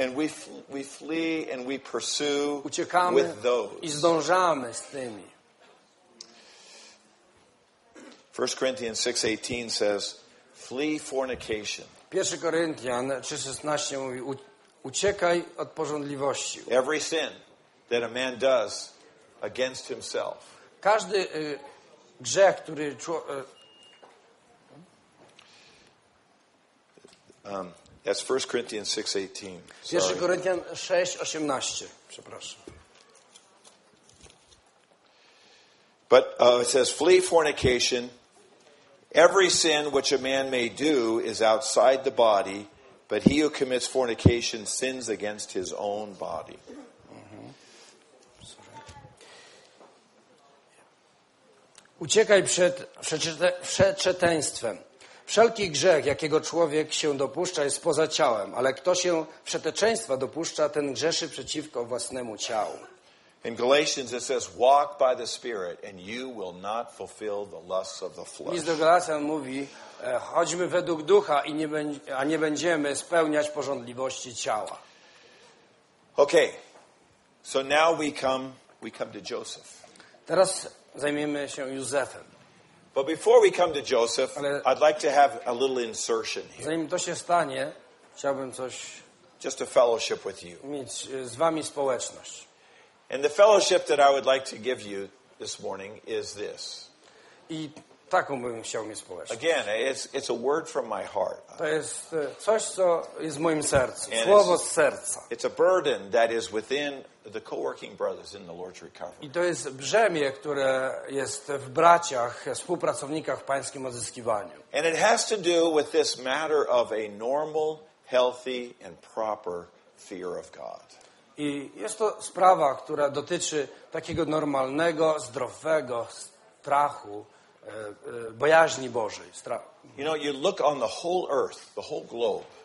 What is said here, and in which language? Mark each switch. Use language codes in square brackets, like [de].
[en] And we flee and we pursue with those. [pl] I zdążamy z tymi. [en] 1 Corinthians 6:18 says, flee fornication. [pl] 1 Koryntian 3:16 mówi, uciekaj od porządliwości. [en] Every sin that a man does against himself. [pl] Każdy grzech, który [en] that's 1 Corinthians 6:18. [pl] 1 Koryntian 6:18. Przepraszam. [en] But it says flee fornication. Every sin which a man may do is outside the body, but he who commits fornication sins against his own body. [pl] Uciekaj przed przeczeteństwem. Wszelki grzech, jakiego człowiek się dopuszcza, jest poza ciałem, ale kto się przeteczeństwa dopuszcza, ten grzeszy przeciwko własnemu ciału. [en] In Galatians it says, walk by the Spirit and you will not fulfill the lusts of the flesh. [pl] List do Galatian mówi, chodźmy według ducha, a nie będziemy spełniać pożądliwości ciała. [en] Okay, so now we come to Joseph. [pl] Teraz zajmiemy się Józefem. [en] But before we come to Joseph, I'd like to have a little insertion here. [pl] Zanim to się stanie, chciałbym coś... [en] Just a fellowship with you. [pl] Mieć z wami społeczność. [en] And the fellowship that I would like to give you this morning is this. [pl] I taką bym chciał mieć społeczność. [en] Again, it's a word from my heart. [pl] To jest coś, co jest w moim sercu. And słowo z serca. [en] It's a burden that is within the co-working brothers in the Lord's Recovery. [pl] I to jest brzemię, które jest w braciach, współpracownikach w Pańskim Odzyskiwaniu. [en] And it has to do with this matter of a normal, healthy and proper fear of God. [pl] I jest to sprawa, która dotyczy takiego normalnego, zdrowego strachu, bojaźni Bożej. [en] You know, you look on the whole earth, the whole globe.